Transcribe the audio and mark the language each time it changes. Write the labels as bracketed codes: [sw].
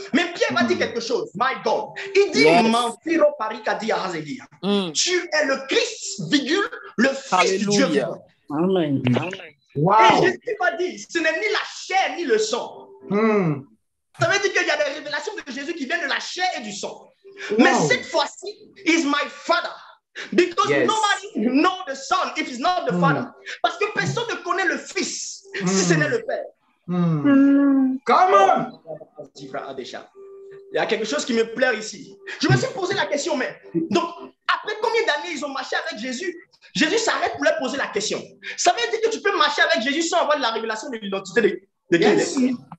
[fr] Mais Pierre va dire quelque chose. [en] My God. [fr] Il dit, Mantiro Parikadia Hazelia. Tu es le Christ, virgule, le Fils du Dieu. Amen. Wow. Et Jésus va dire, ce n'est ni la chair ni le sang. Ça veut dire qu'il y a des révélations de Jésus qui viennent de la chair et du sang. Mais cette fois-ci, [en] is my father. Because nobody knows the son if it's not the father. [fr] Parce que personne ne connaît le fils si ce n'est le père. [en] Come on! [fr] Il y a quelque chose qui me plaît ici. Je me suis posé la question, mais donc, après combien d'années ils ont marché avec Jésus, Jésus s'arrête pour leur poser la question. Ça veut dire que tu peux marcher avec Jésus sans avoir la révélation de l'identité de Jésus.